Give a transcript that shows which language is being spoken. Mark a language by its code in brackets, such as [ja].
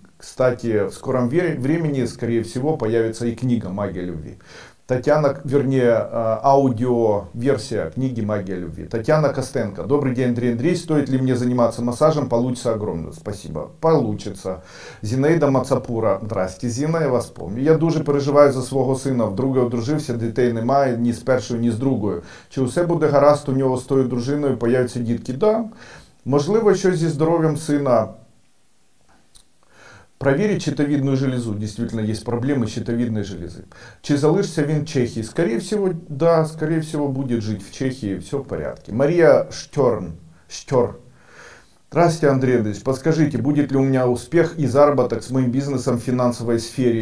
[ru] Кстати, в скором времени, скорее всего, появится и книга «Магия любви». Татьяна, вернее, аудиоверсия книги «Магия любви». Татьяна Костенко. Добрый день, Андрей Андреевич. Стоит ли мне заниматься массажем? Получится огромное. Спасибо. Получится. Зинаида Мацапура. Здрасте, Зина, я вас помню. [uk] Я дуже переживаю за свого сына. Вдруге одружився, дітей немає ні з першою, ні з другою. Чи усе буде гаразд у нього з тою дружиною? Появляться дітки? Да. Можливо, щось зі здоров'ям сина. [ru] Проверить щитовидную железу. Действительно, есть проблемы с щитовидной железой. [uk] Чи залишся він в Чехии? [ru] Скорее всего, да, скорее всего, будет жить в Чехии. Все в порядке. Мария Штерн. Штер. Здравствуйте, Андрей Андреевич. Подскажите, будет ли у меня успех и заработок с моим бизнесом в финансовой сфере?